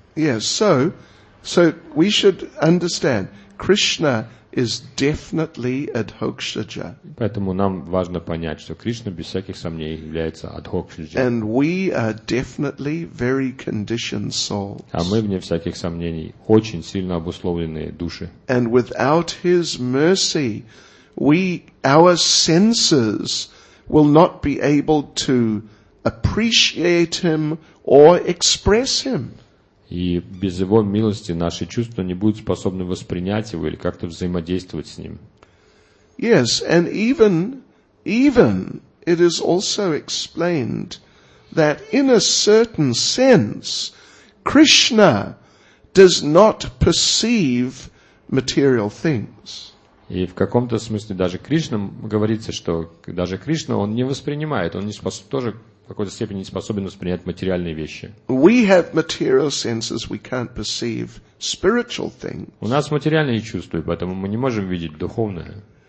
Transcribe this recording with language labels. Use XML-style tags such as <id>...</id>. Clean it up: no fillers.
<en>Yes, so we should understand, Krishna is definitely Adhokshaja.</en> <ru>Поэтому нам важно понять, что Кришна без всяких сомнений является Адхокшаджа.</ru> <en>And we are definitely very conditioned souls.</en> <ru>А мы, вне всяких сомнений, очень сильно обусловленные души.</ru> <en>And without his mercy, our senses will not be able to appreciate him or express him.</en> <ru>И без его милости наши чувства не будут способны воспринять его или как-то взаимодействовать с ним.</ru> <en>Yes, and even it is also explained that in a certain sense, Krishna does not perceive material things.</en> <ru>И в каком-то смысле даже Кришна говорится, что даже Кришна он не воспринимает, он не способен тоже в какой-то степени не способен воспринять материальные вещи.</ru> <en>We have material senses, we can't perceive spiritual things.</en> <ru>У нас материальные чувства, поэтому мы не можем видеть духовное.</ru>